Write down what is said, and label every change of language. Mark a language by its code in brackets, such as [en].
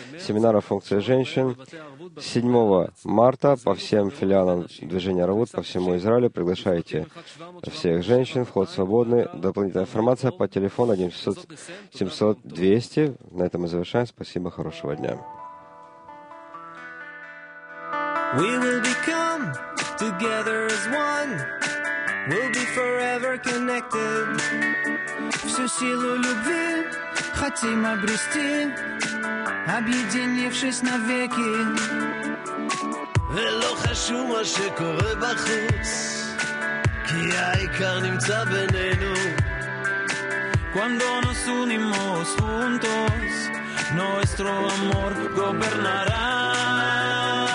[ru] Семинар о функции женщин 7 марта по всем филиалам движения «Арвуд» по всему Израилю. Приглашайте всех женщин. Вход свободный. Дополнительная информация по телефону 1-700-200. На этом мы завершаем. Спасибо. Хорошего дня. [en] We will become together as one. We'll be forever connected. [ru] Всю силу любви хотим обрести, объединившись навеки. [he] ולא חשוב מה שקורה בחוץ, כי העיקר נמצא בינינו. [es] Cuando nos unimos juntos, nuestro amor gobernará.